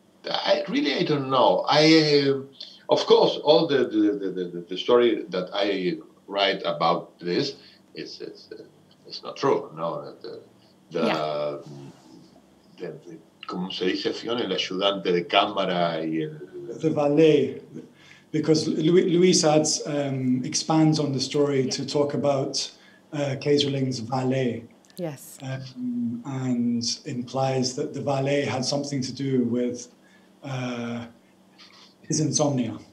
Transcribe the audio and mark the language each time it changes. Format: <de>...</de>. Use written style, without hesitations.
<en>I don't know. Of course, all the story that I write about this is not true.</en> <es>No, como se dice Fionn, el ayudante de cámara y</es> <en>the valet, because Luis adds expands on the story to talk about Kaiserling's valet. Yes. And implies that the valet had something to do with his insomnia.</en>